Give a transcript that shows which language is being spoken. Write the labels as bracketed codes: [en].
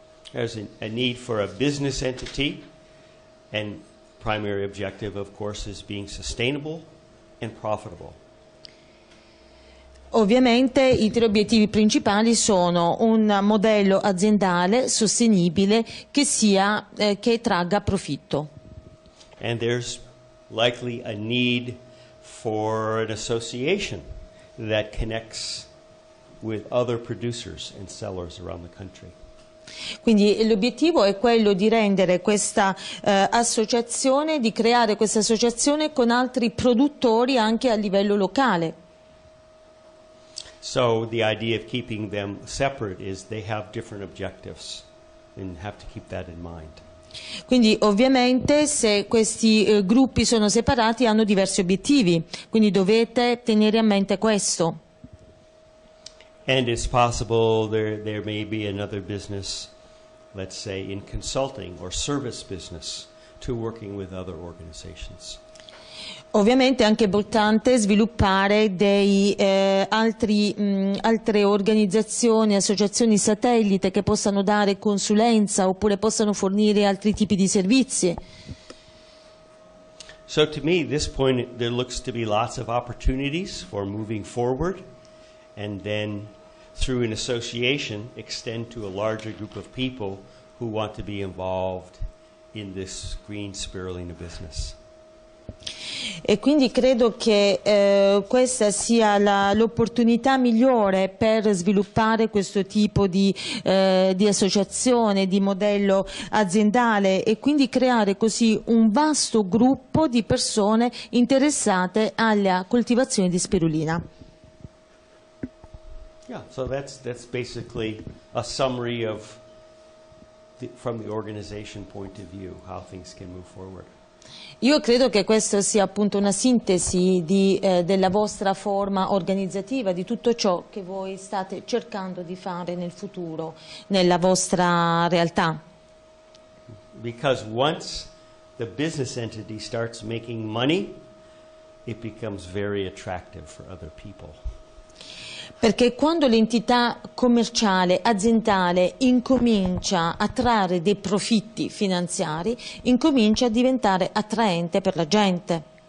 [en] There's a need for a business entity, and primary objective, of course, is being sustainable and profitable. [it] Ho ovviamente i tre obiettivi principali sono un modello aziendale sostenibile che sia che tragga profitto. [en] And there's likely a need for an association that connects with other producers and sellers around the country. [it] Quindi l'obiettivo è quello di rendere questa associazione, di creare questa associazione con altri produttori anche a livello locale. [en] So the idea of keeping them separate is they have different objectives and have to keep that in mind. [it] Quindi ovviamente se questi gruppi sono separati hanno diversi obiettivi, quindi dovete tenere a mente questo. [en] And it's possible there may be another business, let's say in consulting or service business, to working with other organizations. [it] Ovviamente è anche importante sviluppare dei altre organizzazioni, associazioni satellite che possano dare consulenza oppure possano fornire altri tipi di servizi. [en] So to me at this point there looks to be lots of opportunities for moving forward and then through an association extend to a larger group of people who want to be involved in this green spirulina business. [it] E quindi credo che questa sia l'opportunità migliore per sviluppare questo tipo di associazione, di modello aziendale e quindi creare così un vasto gruppo di persone interessate alla coltivazione di spirulina. [en] Yeah, so that's basically a summary of from the organization point of view how things can move forward. [it] Io credo che questa sia appunto una sintesi della vostra forma organizzativa, di tutto ciò che voi state cercando di fare nel futuro, nella vostra realtà. [en] Because once the business entity starts making money, it becomes very attractive for other people. [it] Perché quando l'entità commerciale, aziendale, incomincia a trarre dei profitti finanziari, incomincia a diventare attraente per la gente.